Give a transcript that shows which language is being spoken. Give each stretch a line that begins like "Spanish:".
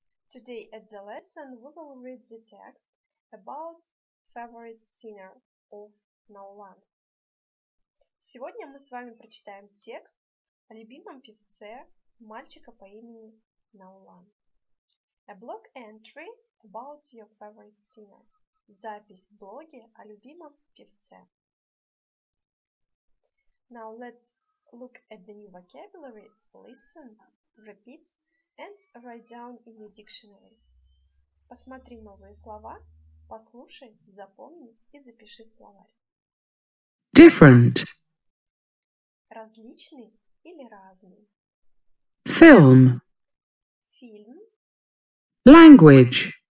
English: Today at the lesson we will read the text about favorite singer of Nolan.
Russian: Сегодня мы с вами прочитаем текст о любимом певце мальчика по имени Nolan.
English: A blog entry about your favorite singer.
Russian: Запись в блоге о любимом певце.
English: Now let's look at the new vocabulary, listen, repeat, and write down in the dictionary.
Russian: Посмотри новые слова, послушай, запомни и запиши в словарь.
English: Different.
Russian: Различный или разный.
English: Film.
Russian: Фильм.
English: Language.